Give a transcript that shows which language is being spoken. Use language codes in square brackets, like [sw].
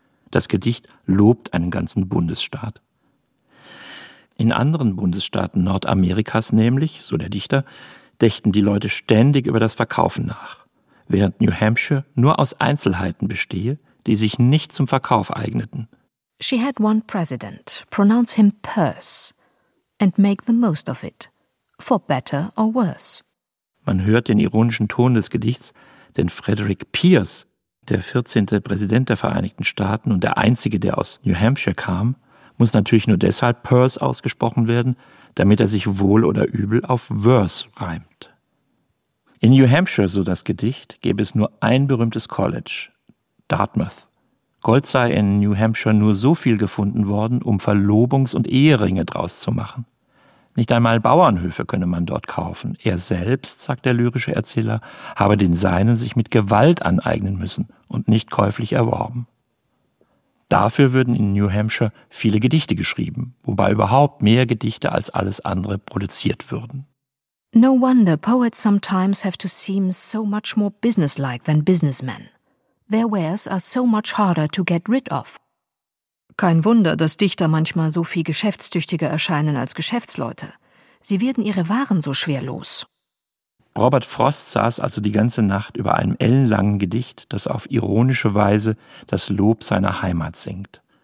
[de] Das Gedicht lobt einen ganzen Bundesstaat. In anderen Bundesstaaten Nordamerikas nämlich, so der Dichter, dächten die Leute ständig über das Verkaufen nach, während New Hampshire nur aus Einzelheiten bestehe, die sich nicht zum Verkauf eigneten. [en] She had one president, pronounce him purse, and make the most of it, for better or worse. [de] Man hört den ironischen Ton des Gedichts, denn Frederick Pierce, der 14. Präsident der Vereinigten Staaten und der einzige, der aus New Hampshire kam, muss natürlich nur deshalb purse ausgesprochen werden, damit er sich wohl oder übel auf worse reimt. In New Hampshire, so das Gedicht, gäbe es nur ein berühmtes College, Dartmouth. Gold sei in New Hampshire nur so viel gefunden worden, um Verlobungs- und Eheringe draus zu machen. Nicht einmal Bauernhöfe könne man dort kaufen. Er selbst, sagt der lyrische Erzähler, habe den Seinen sich mit Gewalt aneignen müssen und nicht käuflich erworben. Dafür würden in New Hampshire viele Gedichte geschrieben, wobei überhaupt mehr Gedichte als alles andere produziert würden. [en] No wonder poets sometimes have to seem so much more businesslike than businessmen. Their wares are so much harder to get rid of. [de] Kein Wunder, dass Dichter manchmal so viel geschäftstüchtiger erscheinen als Geschäftsleute. Sie werden ihre Waren so schwer los. Robert Frost saß also die ganze Nacht über einem ellenlangen Gedicht, das auf ironische Weise das Lob seiner Heimat singt.